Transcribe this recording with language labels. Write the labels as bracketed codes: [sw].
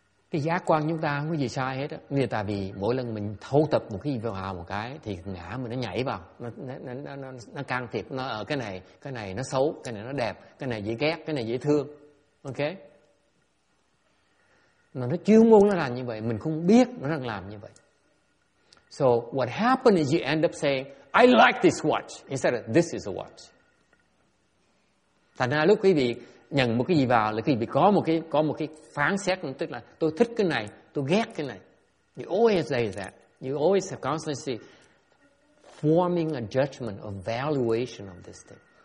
[vi] Cái giác quan chúng ta không có gì sai hết á. Vì tại vì mỗi lần mình thâu tập một cái gì vào một cái thì ngã mình nó nhảy vào, nó can thiệp, nó ở cái này nó xấu, cái này nó đẹp, cái này dễ ghét, cái này dễ thương. Ok? Mà nó chuyên môn nó làm như vậy, mình không biết nó đang làm như vậy. [en] So what happened is you end up saying, I like this watch, instead of this is a watch. [vi] Thành ra lúc quý vị nhận một cái gì vào là quý vị có một cái phán xét, tức là tôi thích cái này, tôi ghét cái này. [en] You always say that. You always have constantly forming a judgment, a valuation of this thing.